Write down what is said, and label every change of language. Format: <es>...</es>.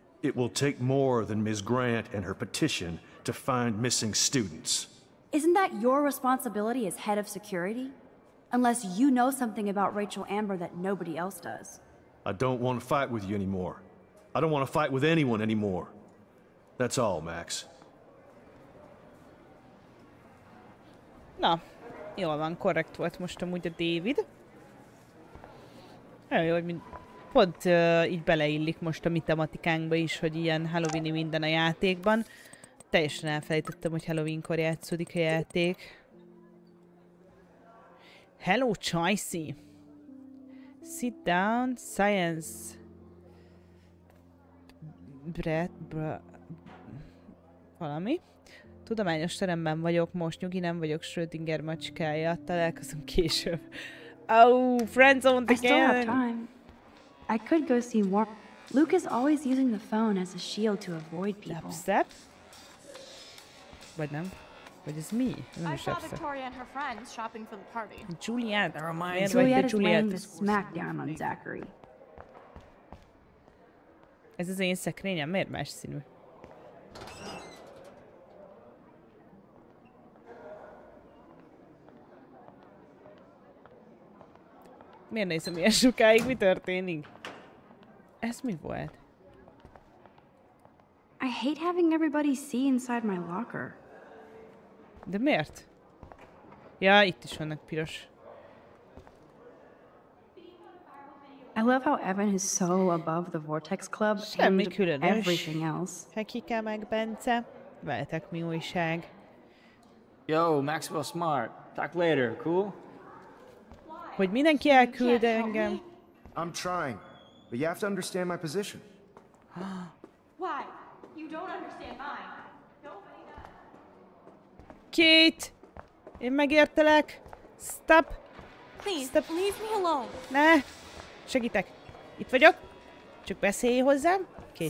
<en>It will take more than Ms. Grant and her petition to find missing students. Isn't that your responsibility as head of security? Unless you know something about Rachel Amber that nobody else does. I don't want to fight with you anymore. I don't want to fight with anyone anymore. That's all, Max.</en> <hu>Na, jól van, korrekt volt most amúgy a David. Nagyon jó, hogy pont így beleillik most a mi tematikánkba is, hogy ilyen halloween-i minden a játékban. Teljesen elfelejtettem, hogy halloweenkor játszódik a játék.</hu> <en>Hello, Chicey! Sit down, science...</en> <hu>Valami. Tudományos teremben vagyok most, nyugi, nem vagyok Schrödinger macskája, találkozunk később.</hu> <en>Oh, friends on the game! I still have time. I could go see more. Luke is always using the phone as a shield to avoid people.</en> <hu>Lapszep? Vagy nem? Vagy ez mi? Nem</hu> <en>I saw Victoria and her friends shopping for the party. Juliet! Juliet is laying the smackdown on Zachary.</en> <hu>Ez az én szekrényem? Miért más színű? Miért nézem ilyen sokáig? Mi történik? Ez mi volt?</hu> <en>I hate having everybody see inside my locker.</en> <hu>De miért? Ja, itt is vannak piros.</hu> <en>I love how Evan is so above the Vortex Club</en> <hu>semmi</hu> <en>and</en> <hu>különös.</hu> <en>Everything else.</en> <hu>Hekike meg Bence. Veletek mi újság.</hu> <en>Yo, Maxwell Smart. Talk later, cool?</en> <hu>Hogy mindenki elküld engem.</hu> <en>I'm trying, but you have to understand my position. Why? You don't understand mine. Nobody</en> <hu>does. Kate! Én megértelek. Stop!</hu> <en>Please, stop. Leave me alone.</en> <hu>Ne! Segítek. Itt vagyok. Csak beszélj hozzám. Kate.</hu>